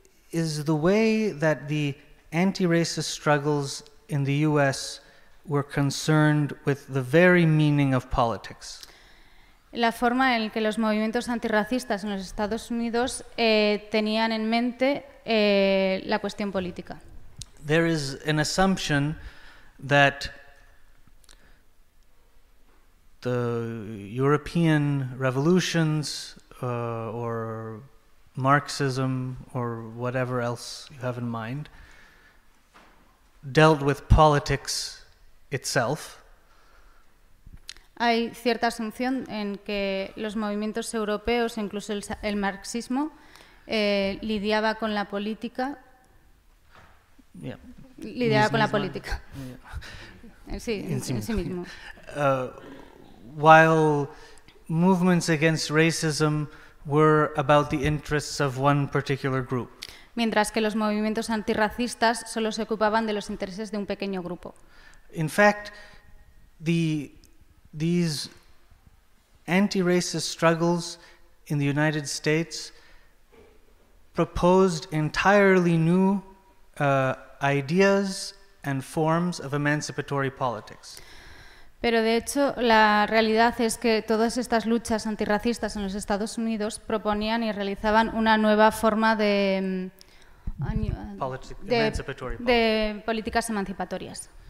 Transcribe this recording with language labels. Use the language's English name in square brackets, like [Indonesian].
[English] is the way that the anti-racist struggles in the US were concerned with the very meaning of politics. [Spanish] La forma en que los movimientos antirracistas en los Estados Unidos tenían en mente la cuestión política. [English] There is an assumption that the European revolutions or Marxism or whatever else you have in mind dealt with politics itself. [Spanish] Hay cierta asunción en que los movimientos europeos, incluso el marxismo, lidiaba con la política. Yeah. Lidiaba con la política. Yeah. Sí, en sí mismo. [English] While movements against racism were about the interests of one particular group. [Spanish] Mientras que los movimientos antirracistas solo se ocupaban de los intereses de un pequeño grupo. [English] In fact, these anti-racist struggles in the United States proposed entirely new ideas and forms of emancipatory politics. [Spanish] Pero de hecho, la realidad es que todas estas luchas antirracistas en los Estados Unidos proponían y realizaban una nueva forma de políticas emancipatorias.